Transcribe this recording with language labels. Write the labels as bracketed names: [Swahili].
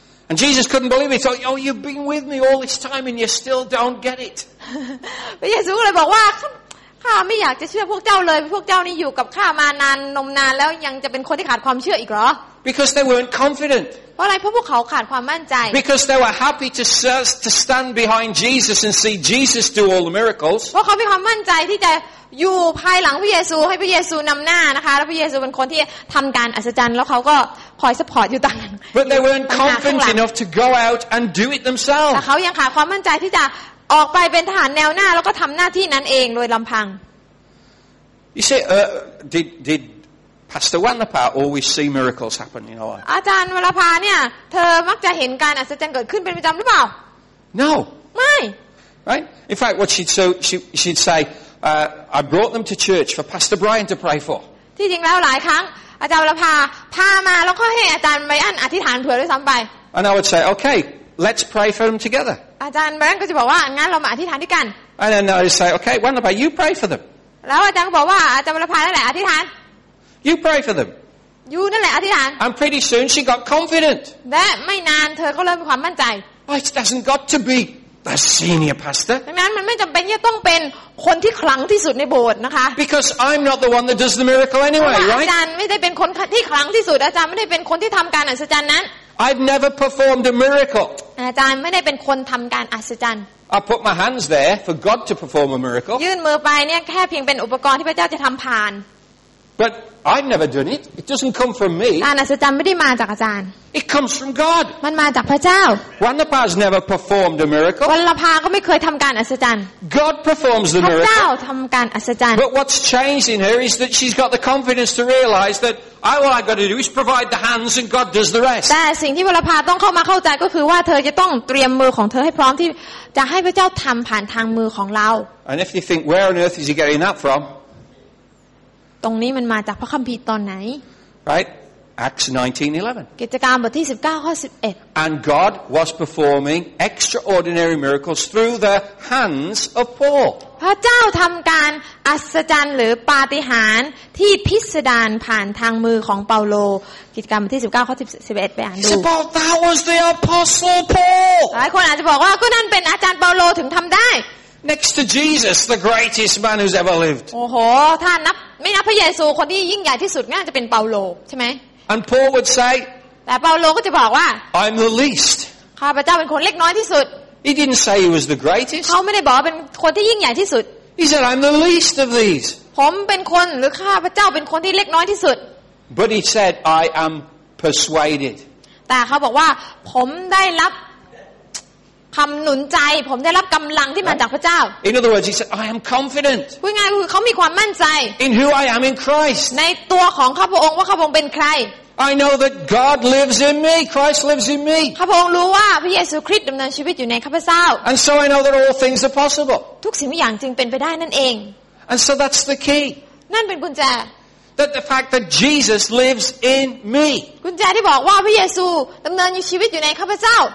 [English] And Jesus couldn't believe it. He thought, "Oh, you've been with me all this time, and you still don't get it." [Thai] พระเยซูเลยบอกว่าข้าไม่อยากจะเชื่อพวกเจ้าเลยพวกเจ้านี่อยู่กับข้ามานานนมนานแล้วยังจะเป็นคนที่ขาดความเชื่ออีกเหรอ [English] Because they weren't confident. [Thai] เพราะอะไรเพราะพวกเขาขาดความมั่นใจ [English] Because they were happy to stand behind Jesus and see Jesus do all the miracles. [Thai] เพราะเขามีความมั่นใจที่จะอยู่ภายหลังพระเยซูให้พระเยซูนำหน้านะคะแล้วพระเยซูเป็นคนที่ทำการอัศจรรย์แล้วเขาก็คอยซัพพอร์ตอยู่ตรงนั้น [English] But they weren't confident enough to go out and do it themselves. [Thai] แต่เขายังขาดความมั่นใจที่จะออกไปเป็นทหารแนวหน้าแล้วก็ทำหน้าที่นั้นเองโดยลำพัง [English] You say did Pastor Wanapa always see miracles happen in our [Thai] อาจารย์วรพาเนี่ยเธอมักจะเห็นการอัศจรรย์เกิดขึ้นเป็นประจำหรือเปล่า [English] No [Thai] ไม่ [English] Right In fact what she'd so she'd say I brought them to church for Pastor Brian to pray for [Thai] ที่จริงแล้วหลายครั้งอาจารย์วรพาพามาแล้วก็ให้อาจารย์ไบอันอธิษฐานเผื่อด้วยซ้ำไป [English] And I would say okayLet's pray for them together. [Thai] อาจารย์แบงค์ก็จะบอกว่างั้นเรามาอธิษฐานด้วยกัน [English] And then I say, okay, when about you pray for them? [Thai] แล้วอาจารย์ก็บอกว่าอาจารย์วรพานั่นแหละอธิษฐาน [English] You pray for them. [Thai] อยู่นั่นแหละอธิษฐาน [English] And pretty soon she got confident. [Thai] และไม่นานเธอก็เริ่มมีความมั่นใจ [English] It doesn't got to be the senior pastor. [Thai] ดังนั้นมันไม่จำเป็นที่จะต้องเป็นคนที่คลั่งที่สุดในโบสถ์นะคะ [English] Because I'm not the one that does the miracle anyway, right? [Thai] อาจารย์ไม่ได้เป็นคนที่คลั่งที่สุดอาจารย์ไม่ได้เป็นคนที่ทำการอัศจรรย์นั้น [English] I've never performed a miracle. [Thai] อาจารย์ไม่ได้เป็นคนทำการอัศจรรย์ [English] I put my hands there for God to perform a miracle. [Thai] ยื่นมือไปเนี่ยแค่เพียงเป็นอุปกรณ์ที่พระเจ้าจะทำผ่าน [English] But I've never done it. It doesn't come from me. [Thai] การอัศจรรย์ไม่ได้มาจากอาจารย์ [English] It comes from God. [Thai] มันมาจากพระเจ้า [English] Wanapa's never performed a miracle. [Thai] วัลภาก็ไม่เคยทำการอัศจรรย์ [English] God performs the miracle. [Thai] พระเจ้าทำการอัศจรรย์ [English] But what's changed in her is that she's got the confidence to realize thatAll I've got to do is provide the hands, and God does the rest. [Thai] แต่สิ่งที่วรพาต้องเข้ามาเข้าใจก็คือว่าเธอจะต้องเตรียมมือของเธอให้พร้อมที่จะให้พระเจ้าทำผ่านทางมือของเรา [English] And if you think where on earth is he getting that from? [Thai] ตรงนี้มันมาจากพระคัมภีร์ตอนไหน [English] Right, Acts 19:11. [Thai] กิจการบทที่19ข้อ11 [English] And God was performing extraordinary miracles through the hands of Paul. [Thai] พระเจ้าทำการอัศจรรย์หรือปาฏิหาริย์ที่พิสดารผ่านทางมือของเปาโลกิจการบทที่19ข้อ11ไปอ่านดู [English] Paul that was the apostle Paul [Thai] หลายคนอาจจะบอกว่าก็นั่นเป็นอาจารย์เปาโลถึงทำได้ [English] Next to Jesus the greatest man who's ever lived [Thai] โอ้โหถ้านับไม่นับพระเยซูคนที่ยิ่งใหญ่ที่สุดน่าจะเป็นเปาโลใช่ไหม [English] And Paul would say [Thai] แต่เปาโลก็จะบอกว่า [English] I'm the least [Thai] ข้าพเจ้าเป็นคนเล็กน้อยที่สุด [English] He didn't say he was the greatest. [Thai] เขาไม่ได้บอกเป็นคนที่ยิ่งใหญ่ที่สุด [English] He said, "I'm the least of these." [Thai] ผมเป็นคนหรือข้าพเจ้าเป็นคนที่เล็กน้อยที่สุด [English] But he said, "I am persuaded." [Thai] แต่เขาบอกว่าผมได้รับคำหนุนใจผมได้รับกำลังที่มาจากพระเจ้า [English] In other words, he said, "I am confident." [Thai] พูดง่ายๆคือเขามีความมั่นใจ [English] In who I am in Christ. [Thai] ในตัวของข้าพระองค์ว่าข้าพระองค์เป็นใคร [English] I know that God lives in me. Christ lives in me. [Thai] ข้าพเจ้ารู้ว่าพระเยซูคริสต์ดำเนินชีวิตอยู่ในข้าพเจ้า [English] And so I know that all things are possible. [Thai] ทุกสิ่งทุกอย่างจึงเป็นไปได้นั่นเอง [English] And so that's the key. [Thai] นั่นเป็นกุญแจ [English] That the fact that Jesus lives in me. [Thai] กุญแจที่บอกว่าพระเยซูดำเนินชีวิตอยู่ในข้าพเจ้า